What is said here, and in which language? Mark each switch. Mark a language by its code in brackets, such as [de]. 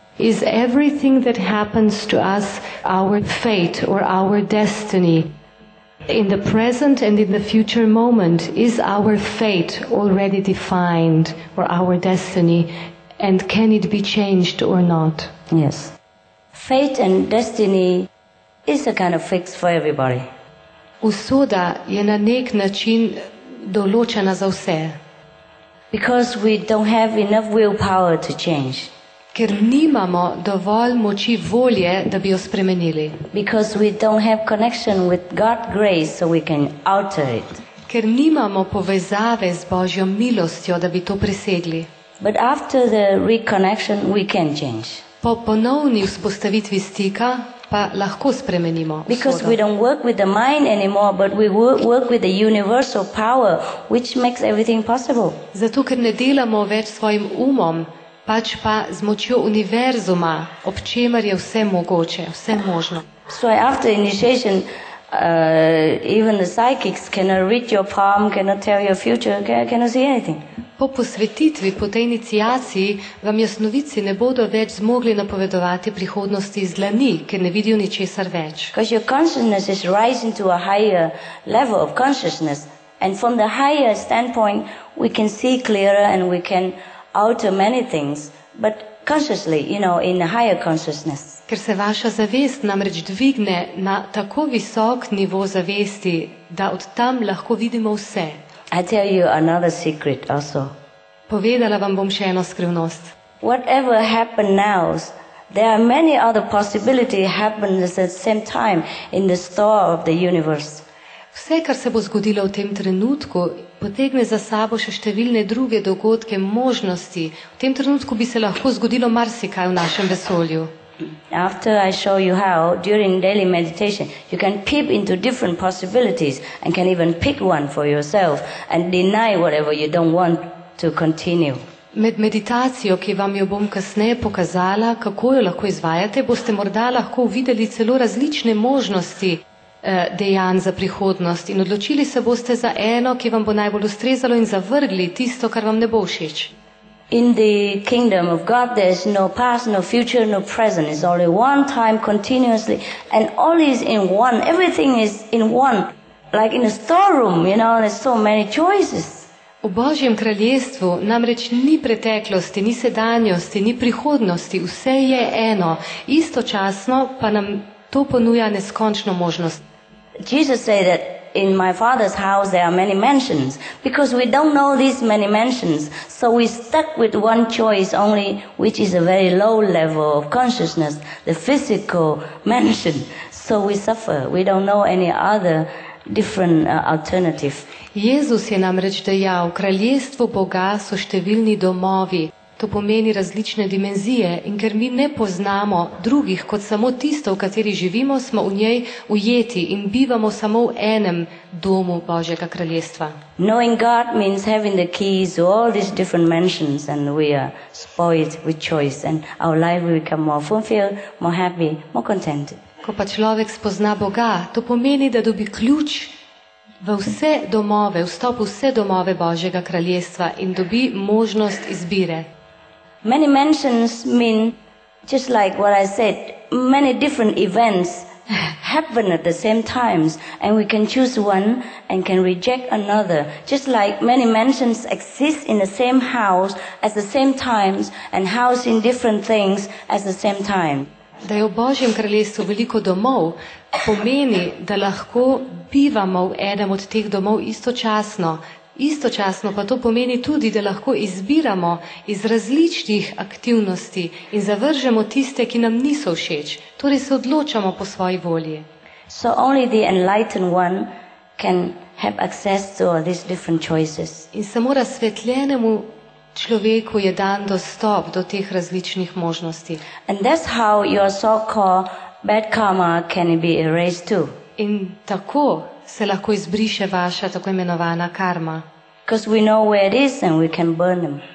[en] Is everything that happens to us our fate or our destiny? In the present and in the future moment, is our fate already defined or our destiny? And can it be changed or not? Yes. Fate and destiny... It's a kind of fix for everybody. [sl] Usoda je na nek način določena za vse. [en] Because we don't have enough willpower to change. [sl] Ker nimamo dovolj moči volje, da bi jo spremenili. [en] Because we don't have connection with God's grace so we can alter it. [sl] Ker nimamo povezave z Božjo milostjo, da bi to presegli. [en] But after the reconnection we can change. [sl] Po ponovni vzpostavitvi stika pa lahko spremenimo. [en] Because we don't work with the mind anymore, but we work with the universal power which makes everything possible. [sl] Zato ker ne delamo več s svojim umom, pač pa z močjo univerzuma, ob čemer je vse mogoče, vse možno. [en] So after initiation, even the psychics cannot read your palm, cannot tell your future, cannot see anything. [sl] Po posvetitvi, po tej iniciaciji, vam jasnovici ne bodo več zmogli napovedovati prihodnosti iz dlani, ker ne vidijo ničesar več. [en] Because your consciousness is rising to a higher level of consciousness. And from the higher standpoint, we can see clearer and we can alter many things. But consciously, you know, in a higher consciousness. [sl] Ker se vaša zavest namreč dvigne na tako visok nivo zavesti, da od tam lahko vidimo vse. [en] I tell you another secret also. [sl] Povedala vam bom še eno skrivnost. [en] Whatever happened now, there are many other possibilities happening at the same time in the store of the universe. [sl] Vse, kar se bo zgodilo v tem trenutku, potegne za sabo še številne druge dogodke, možnosti. V tem trenutku bi se lahko zgodilo marsikaj v našem vesolju. [en] After I show you how, during daily meditation, you can peep into different possibilities and can even pick one for yourself and deny whatever you don't want to continue. [sl] Med meditacijo, ki vam jo bom kasneje pokazala, kako jo lahko izvajate, boste morda lahko videli celo različne možnosti dejanj za prihodnost in odločili se boste za eno, ki vam bo najbolj ustrezalo in zavrgli tisto, kar vam ne bo všeč. [en] In the kingdom of God, there's no past, no future, no present. It's only one time continuously, and all is in one. Everything is in one. like in a storeroom, you know, there's so many choices. [sl] V Božjem kraljestvu namreč ni preteklosti, ni sedanjosti, ni prihodnosti, vse je eno. Istočasno pa nam to ponuja neskončno možnost. [en] Jesus said that in my father's house there are many mansions. Because we don't know these many mansions, so we stuck with one choice only, which is a very low level of consciousness, the physical mansion. So we suffer. We don't know any other different alternative. [sl] Jezus je namreč dejal, kraljestvo Boga so številni domovi. To pomeni različne dimenzije in ker mi ne poznamo drugih kot samo tisto, v kateri živimo, smo v njej ujeti in bivamo samo v enem domu Božjega kraljestva. [en] Knowing God means having the keys to all these different mansions and we are spoiled with choice and our life will become more fulfilled, more happy, more content. [sl] Ko pa človek spozna Boga, to pomeni, da dobi ključ v vse domove, vstop v vse domove Božjega kraljestva in dobi možnost izbire. [en] Many mansions mean, just like what I said, many different events happen at the same times and we can choose one and can reject another. Just like many mansions exist in the same house at the same times and housing different things at the same time. [sl] Da je v Božjem kraljestvu veliko domov, pomeni, da lahko bivamo v enem od teh domov istočasno. Istočasno pa to pomeni tudi, da lahko izbiramo iz različnih aktivnosti in zavržemo tiste, ki nam niso všeč. Torej se odločamo po svoji volji. [en] So only the enlightened one can have access to all these different choices. [sl] In samo razsvetljenemu človeku je dan dostop do teh različnih možnosti. [en] And that's how your so-called bad karma can be erased too. [sl] In tako se lahko izbriše vaša tako imenovana karma. [en] Because we know where it is and we can burn them.